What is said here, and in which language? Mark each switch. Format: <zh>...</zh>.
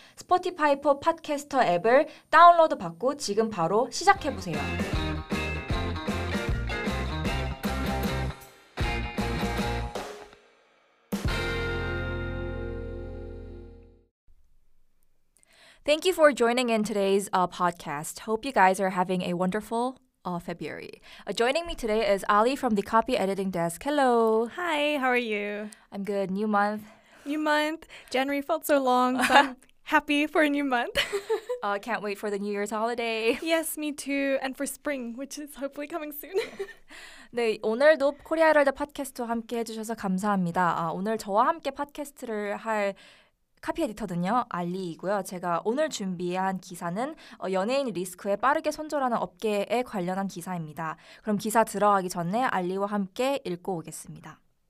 <ko>스포티파이 포 팟캐스터 앱을 다운로드 받고 지금 바로 시작해보세요.</ko> <en>땡큐 포 조이닝 인 투데이즈 팟캐스트. 호프 유 가이즈 아 해빙 에 원더풀 February. Joining me today is Ali from the copy editing desk. Hello. Hi, how are you? I'm good. New month. New month. January felt so long, so I'm happy for a new month. Can't wait for the New Year's holiday. Yes, me too. And for spring, which is hopefully coming soon.</en> <ko>네, 오늘도 코리아 헤럴드 팟캐스트와 함께 해주셔서 감사합니다. 오늘 저와 함께 팟캐스트를 할 카피 에디터는요, 알리이고요. 제가 오늘 준비한 기사는 연예인 리스크에 빠르게 선전하는 업계에 관련한 기사입니다. 그럼 기사 들어가기 전에 알리와 함께 읽고 오겠습니다.</ko>